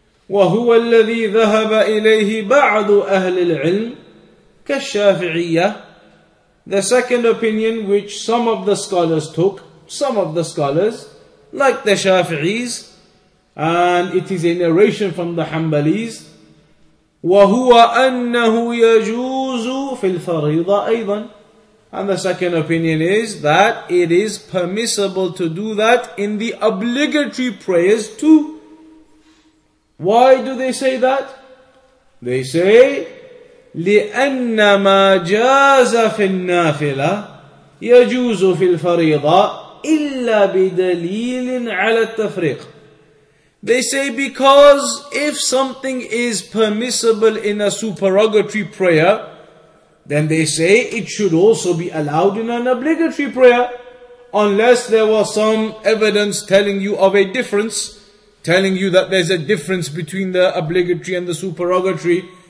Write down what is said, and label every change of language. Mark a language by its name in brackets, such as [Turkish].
[Arabic] وَهُوَ الَّذِي ذَهَبَ إِلَيْهِ بَعْضُ أَهْلِ الْعِلْمِ كَالشَّافِعِيَّةِ. [English] The second opinion which some of the scholars took, some of the scholars, like the Shafi'is, and it is a narration from the Hanbalis. [Arabic] وَهُوَ أَنَّهُ يَجُوزُ فِي الْفَرِيضَةِ أَيْضًا. [English] And the second opinion is that it is permissible to do that in the obligatory prayers too. Why do they say that? They say, [Arabic] لِأَنَّ مَا جَازَ فِي النَّافِلَةِ يَجُوزُ فِي الْفَرِيضَةِ إِلَّا بِدَلِيلٍ عَلَى التَّفْرِيقِ. [English] They say because if something is permissible in a supererogatory prayer, then they say it should also be allowed in an obligatory prayer, unless there was some evidence telling you of a difference, telling you that there's a difference between the obligatory and the supererogatory.